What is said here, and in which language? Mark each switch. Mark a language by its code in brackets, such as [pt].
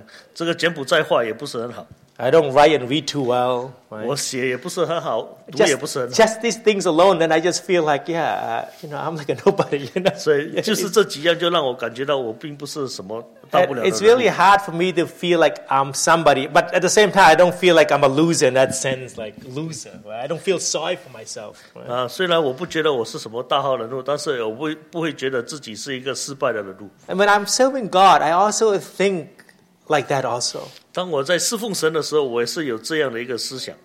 [zh] 我讲英文也不是很好，讲这个柬埔寨话也不是很好。 [en] I don't write and read too well. Right? [zh] 我写也不是很好, [en] just these things alone, then I just feel like, you know, I'm like a nobody. You know? [zh] 所以就是这几样就让我感觉到我并不是什么大不了的人物。 [en] It's really hard for me to feel like I'm somebody, but at the same time, I don't feel like I'm a loser in that sense, like loser. Right? I don't feel sorry for myself. Right? [zh] 虽然我不觉得我是什么大号人物，但是我不会觉得自己是一个失败的人物。 [en] And when I'm serving God, I also think like that also. [zh] 当我在侍奉神的时候，我也是有这样的一个思想。